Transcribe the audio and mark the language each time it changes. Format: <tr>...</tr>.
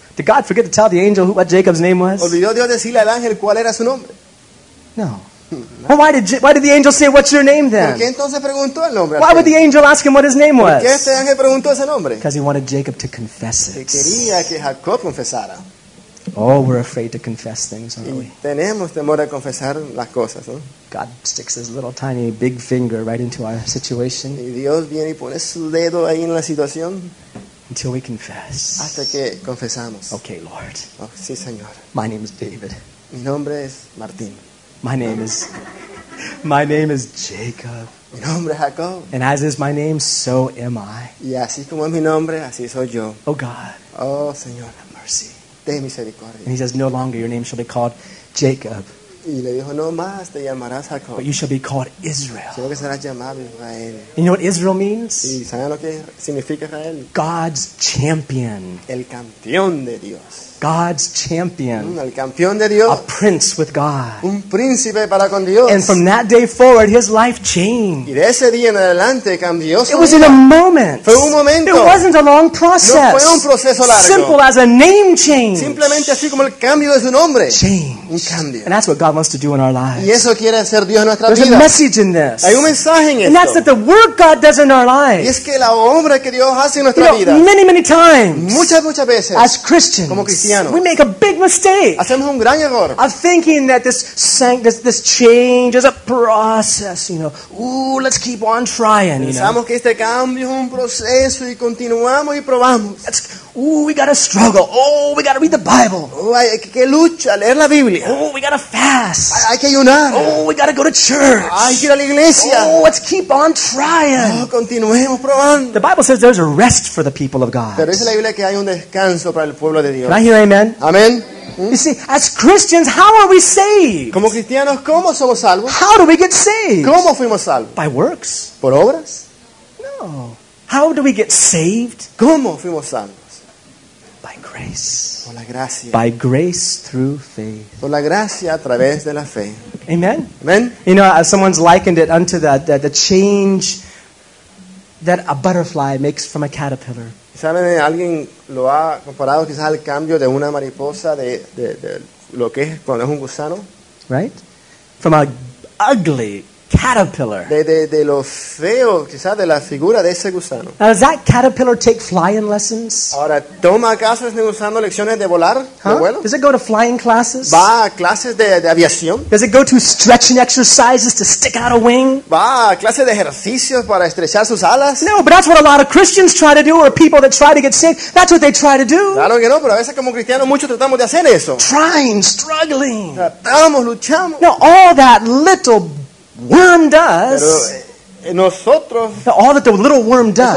<en>Did God forget to tell the angel what Jacob's name was?</en> <es>¿Olvidó Dios decirle al ángel cuál era su nombre?</es> <en>No. Well, why did the angel say, what's your name then?</en> <es>¿Por qué entonces preguntó el nombre?</es> <en>Why would the angel ask him what his name was?</en> <es>¿Por qué este ángel preguntó ese nombre?</es> <en>Because he wanted Jacob to confess it.</en> <es>Que quería que Jacob confesara.</es> <en>Oh, we're afraid to confess things, aren't we?</en> <es>Tenemos temor a confesar las cosas, ¿no?</es> <en>God sticks his little tiny big finger right into our situation.</en> <es>Y Dios viene y pone su dedo ahí en la situación.</es> <en>Until we confess.</en> <es>Hasta que confesamos.</es> <en>Okay, Lord.</en> <es>Oh, sí, Señor.</es> <en>My name is David.</en> <es>Mi nombre es Martín.</es> <en>My name is Jacob.</en> <es>Mi nombre es Jacob.</es> <en>And as is my name, so am I.</en> <es>Y así como es mi nombre, así soy yo.</es> <en>Oh God.</en> <es>Oh Señor,</es> <en>have mercy.</en> <es>De misericordia.</es> <en>And he says, no longer your name shall be called Jacob.</en> <es>Y le dijo, no más te llamarás Jacob.</es> <en>But you shall be called Israel.</en> <es>Sino que serás llamado Israel.</es> <en>You know what Israel means?</en> <es>¿Y sabes lo que significa Israel?</es> <en>God's champion.</en> <es>El campeón de Dios.</es> <en>God's champion.</en> <es>El campeón de Dios.</es> <en>A prince with God.</en> <es>Un príncipe para con Dios.</es> <en>And from that day forward, his life changed.</en> <es>Y de ese día en adelante cambió su</es> <en>vida. It was in a moment.</en> <es>Fue un momento.</es> <en>It wasn't a long process.</en> <es>No fue un proceso largo.</es> <en>Simple as a name change.</en> <es>Simplemente así como el cambio de su nombre.</es> <en>Change.</en> <es>Un cambio.</es> <en>And that's what God wants to do in our lives.</en> <es>Y eso quiere hacer Dios en nuestra</es> <en>There's</en> <es>vida.</es> <en>A message in this.</en> <es>Hay un mensaje en</es> <en>and</en> <es>esto.</es> <en>And that's that the work God does in our lives.</en> <es>Y es que la obra que Dios hace en nuestra</es> <en>you</en> <es>vida.</es> <en>Know, many, many times.</en> <es>Muchas, muchas veces.</es> <en>As Christians.</en> <es>Como cristianos.</es> <en>We make a big mistake.</en> <es>Hacemos un gran error.</es> <en>Of thinking that this change is a process, you know. Ooh, let's keep on trying, you know.</en> <es>Pensamos que este cambio es un proceso y continuamos y probamos.</es> <en>Ooh, we gotta struggle. Oh, we gotta read the Bible.</en> <es>Oh, hay que lucha, leer la Biblia.</es> <en>Oh, we gotta fast.</en> <es>Hay que ayunar.</es> <en>Oh, we gotta go to church.</en> <es>Hay que ir a la iglesia.</es> <en>Oh, let's keep on trying.</en> <es>Oh, continuemos probando.</es> <en>The Bible says there's a rest for the people of God.</en> <es>Pero dice la Biblia que hay un descanso para el pueblo de Dios.</es> <en>Can I hear amen?</en> <es>Amen.</es> <en>You see, as Christians, how are we saved?</en> <es>Como cristianos, ¿cómo somos salvos?</es> <en>How do we get saved?</en> <es>¿Cómo fuimos salvos?</es> <en>By works.</en> <es>¿Por obras?</es> <en>No. How do we get saved?</en> <es>¿Cómo fuimos salvos?</es> <en>Grace.</en> <es>Por la gracia.</es> <en>By grace through faith.</en> <es>Por la gracia a través de la fe.</es> <en>Amen.</en> <es>Amen.</es> <en>You know, someone's likened it unto the change that a butterfly makes from a caterpillar.</en> <es>¿Saben? Alguien lo ha comparado quizás al cambio de una mariposa de lo que es cuando es un gusano.</es> <en>Right? From an ugly caterpillar.</en> <es>De lo feo, quizá de la figura de ese gusano.</es> <en>Now, does that caterpillar take flying lessons?</en> <es>Ahora, ¿toma acaso este gusano lecciones de volar, huh? De vuelo?</es> <en>Does it go to flying classes?</en> <es>¿Va a clases de aviación?</es> <en>Does it go to stretching exercises to stick out a wing?</en> <es>¿Va a clases de ejercicios para estrechar sus alas?</es> <en>No, but that's what a lot of Christians try to do, or people that try to get saved. That's what they try to do.</en> <es>Claro que no, pero a veces como cristianos muchos tratamos de hacer eso.</es> <en>Trying, struggling.</en> <es>Tratamos, luchamos.</es> <en>No, all that little worm does.</en> <es>Pero nosotros.</es> <en>All that the little worm does.</en>